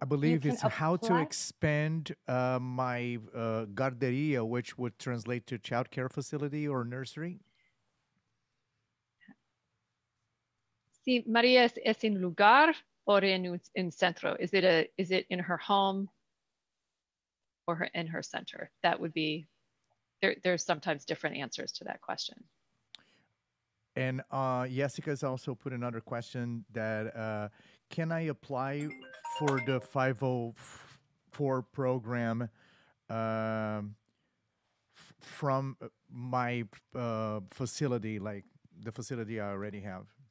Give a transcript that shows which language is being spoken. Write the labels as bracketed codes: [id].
[en] I believe it's how to expand my guardería, which would translate to childcare facility or nursery. [es] Sí, María es en lugar o en centro. [en] Is it in her home? Or in her center? That would be, there's sometimes different answers to that question. And Jessica's also put another question that, can I apply for the 504 program from my facility, like the facility I already have?